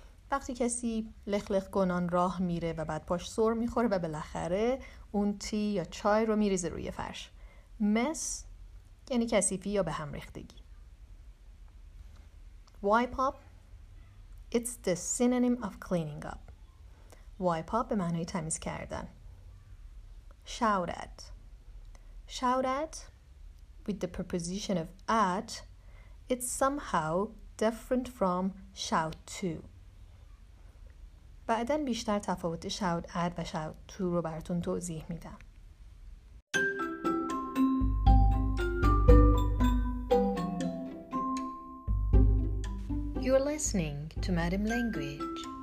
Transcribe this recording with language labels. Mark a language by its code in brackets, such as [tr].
[fa] وقتی کسی لخلخ کنان راه میره و بعد پاش سر میخوره و بالاخره اون تی یا چای رو میریزه روی فرش. مس یعنی کثیفی یا به هم ریختگی. [en] Wipe up. It's the synonym of cleaning up. [fa] Wipe up به معنی تمیز کردن. [en] Shout at. Shout at with the preposition of at, it's somehow different from shout to. [fa] بعدن بیشتر تفاوت shout at و shout to رو براتون توضیح میدم. [en] You're listening to Madam Language.